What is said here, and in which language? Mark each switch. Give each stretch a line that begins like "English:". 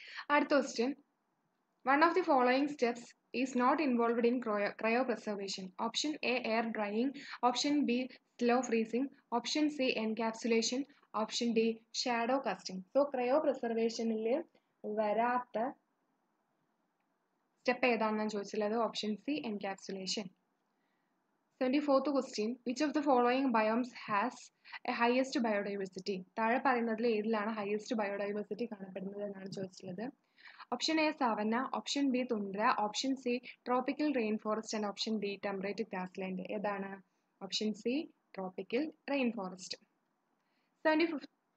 Malayalam: അടുത്ത question,
English: One of the following steps is not involved in cryopreservation. Option A air drying, option B slow freezing, option C encapsulation, option D shadow casting.
Malayalam: So cryo പ്രിസർവേഷനിൽ വരാത്ത step ഏതാണെന്നാണ് ചോദിച്ചത്.
English: Option C encapsulation. 74th question, which of the following biomes has a highest biodiversity?
Malayalam: താഴെ പറയുന്നതിൽ ഏതിലാണ്
English: highest biodiversity
Malayalam: കാണപ്പെടുന്നത് എന്നാണ് ചോദിച്ചിട്ടുള്ളത്.
English: Option A savanna, option B tundra, option C tropical rain forest and option D temperate grassland.
Malayalam: ഏതാണ്?
English: Option C tropical rain forest. 75th